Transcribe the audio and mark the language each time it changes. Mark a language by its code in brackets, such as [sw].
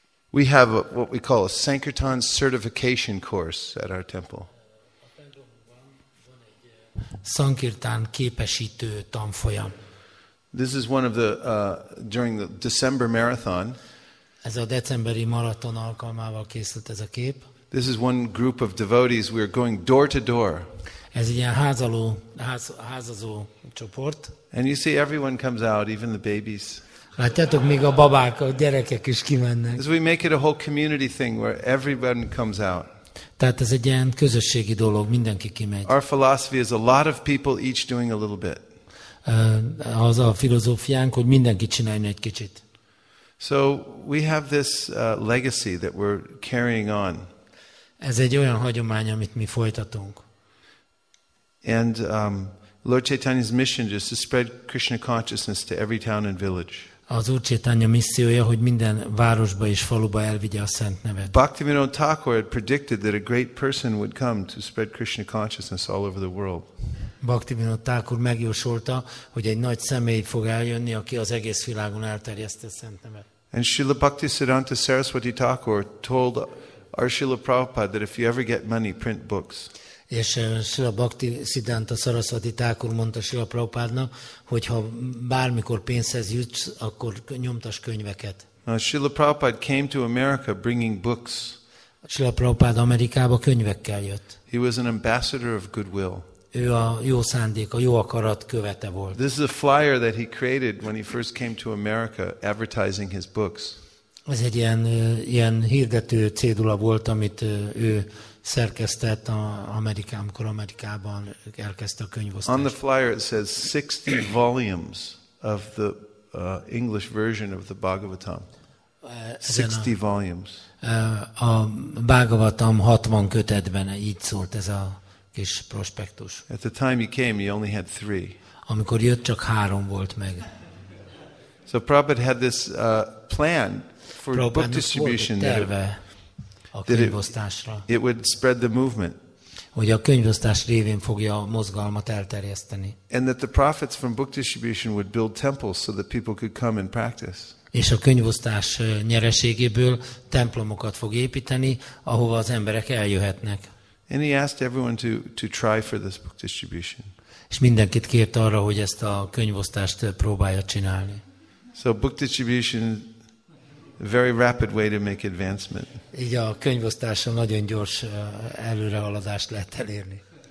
[en] We have a, what we call a Sankirtan certification course at our temple. [hu] Sankirtan képesítő tanfolyam. [en] This is one of the during the December marathon. [hu] Ez a decemberi maraton alkalmával készült ez a kép. [en] This is one group of devotees. We are going door to door. [hu] Ez ilyen házazó csoport. [en] And you see, everyone comes out, even the babies. [hu] Látjátok, még a babák, a gyerekek is kimennek. [en] So we make it a whole community thing where everyone comes out. [hu] Tehát ez egy ilyen közösségi dolog, mindenki kimegy. [en] Our philosophy is a lot of people each doing a little bit. [hu] Az a filozófiánk, hogy mindenki csináljon egy kicsit. [en] So we have this legacy that we're carrying on. [hu] Ez egy olyan hagyomány, amit mi folytatunk. [en] And Lord Chaitanya's mission is to spread Krishna consciousness to every town and village. [hu] Az Úr Chaitanya missziója, hogy minden városba és faluba elvigye a szent nevet. [en] Bhaktivinoda Thakur had predicted that a great person would come to spread Krishna consciousness all over the world. [hu] Bhaktivinoda Thakur megjósolta, hogy egy nagy személy fog eljönni, aki az egész világon elterjeszti a szent nevet. [en] And Srila Bhaktisiddhanta Saraswati Thakur told Srila Prabhupada that if you ever get money, print books. [hu] És Srila Bhaktisiddhanta Saraswati Thakur mondta Srila Prabhupádnak, hogy ha bármikor pénzhez jutsz, akkor nyomtass könyveket. [en] Srila Prabhupada came to America bringing books. [hu] Srila Prabhupada Amerikába könyvekkel jött. [en] He was an ambassador of goodwill. [hu] Ő a jó szándék, a jó akarat követe volt. [en] This is a flyer that he created when he first came to America advertising his books. [hu] Ez egy ilyen hirdető cédula volt, amit ő szerkesztett Amerikában, amikor Amerikában elkezdte a könyvosztást. [en] On the flyer it says 60 volumes of the English version of the Bhagavatam. 60 volumes. [hu] A Bhagavatam 60 kötetben, így szólt ez a kis prospektus. [en] At the time he came, he only had 3. [hu] Amikor jött, csak 3 volt meg. [en] So Prabhupada had this plan for book distribution there. [hu] A könyvosztásra. [en] It would spread the movement. [hu] Hogy a könyvosztás révén fogja a mozgalmat elterjeszteni. [en] And that the profits from book distribution would build temples so that people could come and practice. [hu] És a könyvosztás nyereségéből templomokat fog építeni, ahova az emberek eljöhetnek. [en] And he asked everyone to try for this book distribution. [hu] És mindenkit kért arra, hogy ezt a könyvosztást próbálja csinálni. [en] So book distribution, very rapid way to make advancement. [hu] Így a könyvosztáson nagyon gyors előrehaladást lehet elérni.